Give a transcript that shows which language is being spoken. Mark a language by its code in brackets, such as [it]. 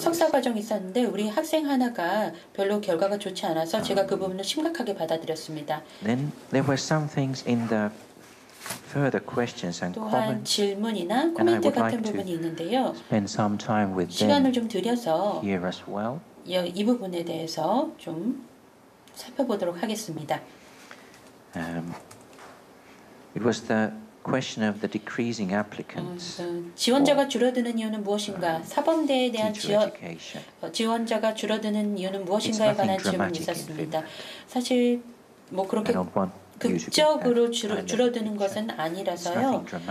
[ko] 석사 과정 있었는데 우리 학생 하나가 별로 결과가 좋지 않아서 제가 그 부분을 심각하게 받아들였습니다. [en] Then there were some things in the further questions and comments. [ko] 질문이나 코멘트 같은 부분이 있는데요. [en] Spend some time with them. [ko] 시간을 좀 들여서 [en] here as well. [ko] 이 부분에 대해서 좀 살펴보도록 하겠습니다. [en] It was the question of the decreasing applicants. [ko] 지원자가 줄어드는 이유는 무엇인가? 사범대에 대한 지원자가 줄어드는 이유는 무엇인가에 관한 질문이 있었습니다. 사실 뭐 그렇게 극적으로 줄어드는 것은 아니라서요.